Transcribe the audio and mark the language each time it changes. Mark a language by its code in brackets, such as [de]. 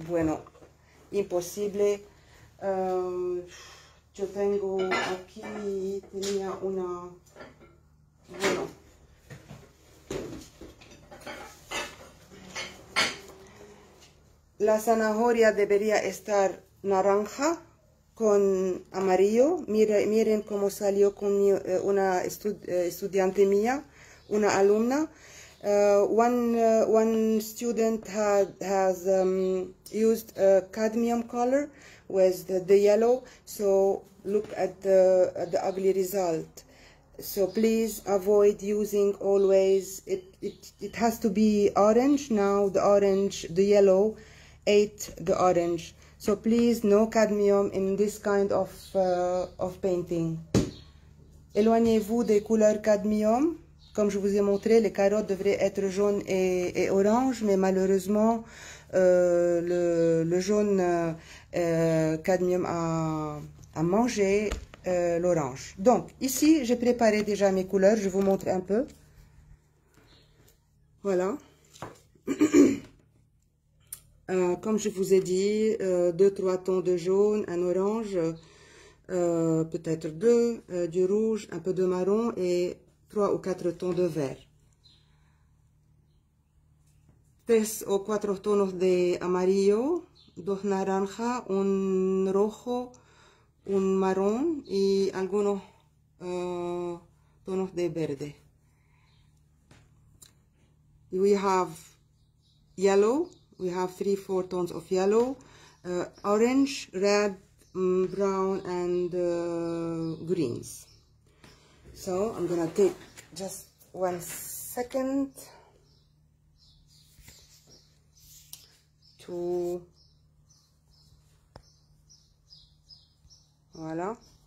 [es] Bueno, imposible. Yo tengo aquí, tenía una, bueno, la zanahoria debería estar naranja con amarillo. Miren cómo salió con una estudiante mía, una alumna. [en] One student has used a cadmium color with the yellow. So look at the ugly result. So please avoid using always it has to be orange. Now the orange, the yellow ate the orange. So please, no cadmium in this kind of painting. [fr] Éloignez-vous des couleurs cadmium. Comme je vous ai montré, les carottes devraient être jaunes et oranges, mais malheureusement, le jaune cadmium a mangé l'orange. Donc, ici, j'ai préparé déjà mes couleurs. Je vous montre un peu. Voilà. comme je vous ai dit, deux, trois tons de jaune, un orange, peut-être deux, du rouge, un peu de marron et trois ou quatre tons de vert. [es] Tres o cuatro tonos de amarillo, dos naranja, un rojo, un marrón y algunos tonos de verde. [en] We have yellow. We have 3-4 tones of yellow, orange, red, brown, and greens. So I'm gonna take just one second to voila.